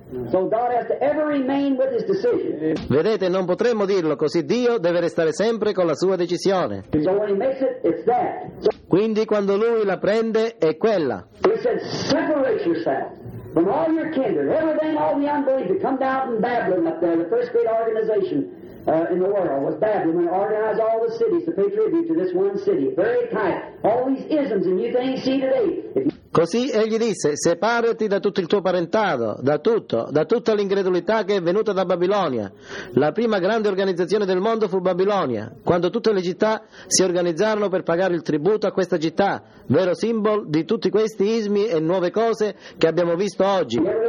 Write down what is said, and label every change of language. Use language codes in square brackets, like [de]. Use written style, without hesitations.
[en] So God has to ever remain with his decision. [it] Vedete, non potremmo dirlo, così Dio deve restare sempre con la sua decisione. [en] So when he makes it, it's that. So, [it] quindi quando lui la prende è quella. [en] He said, separate yourself from all your kindred, everything, all the unbelievers that come down from Babylon up there, the first great organization in the world was Babylon, when they organized all the cities to pay tribute to this one city, very tight, all these isms and you things see today. [it] Così egli disse: separati da tutto il tuo parentado, da tutto, da tutta l'incredulità che è venuta da Babilonia. La prima grande organizzazione del mondo fu Babilonia, quando tutte le città si organizzarono per pagare il tributo a questa città, vero simbolo di tutti questi ismi e nuove cose che abbiamo visto oggi.